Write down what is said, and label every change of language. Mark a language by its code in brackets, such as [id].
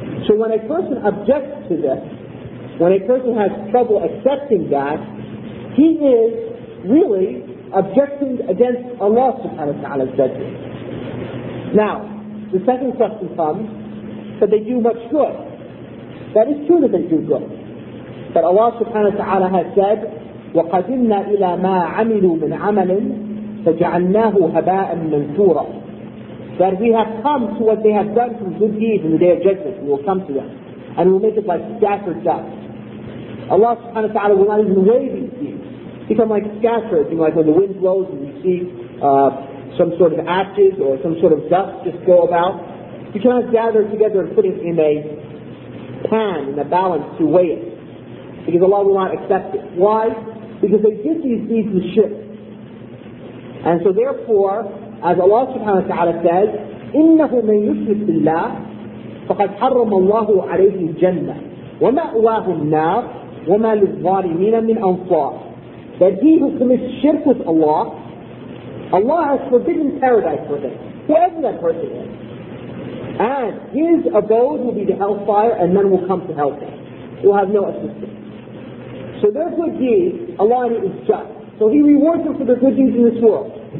[en] So when a person objects to this, when a person has trouble accepting that, he is really objecting against Allah subhanahu wa ta'ala's judgment. Now, the second question comes, that they do much good. That is true that they do good. But Allah subhanahu wa ta'ala has said, [ar] وَقَدِمْنَا إِلَى مَا عَمِلُوا مِنْ عَمَلٍ فَجَعَلْنَاهُ هَبَاءً مَنْثُورًا. [en] That we have come to what they have done through good deeds in the day of judgment. We will come to them. And we will make it like scattered dust. Allah subhanahu wa ta'ala will not even wave these deeds. Become like scattered, you know, like when the wind blows and you see some sort of ashes or some sort of dust just go about. You cannot gather together and put it in a pan, in a balance to weigh it. Because Allah will not accept it. Why? Because they give these deeds to the shirk. And so therefore, as Allah subhanahu wa ta'ala says, [ar] إِنَّهُ مَنْ يُشْرِكْ بِاللَّهِ فَقَدْ حَرَّمَ اللَّهُ عَلَيْهِ الْجَنَّةِ وَمَأْوَاهُ النَّارِ وَمَا لِلظَّالِمِينَ مِنْ أَنْصَارِ. [en] That he who commits shirk with Allah, Allah has forbidden paradise for him, whoever that person is. And his abode will be the hellfire, and none will come to help him. He'll have no assistance. So therefore, he, Allah is just. So he rewards them for their good deeds in this world.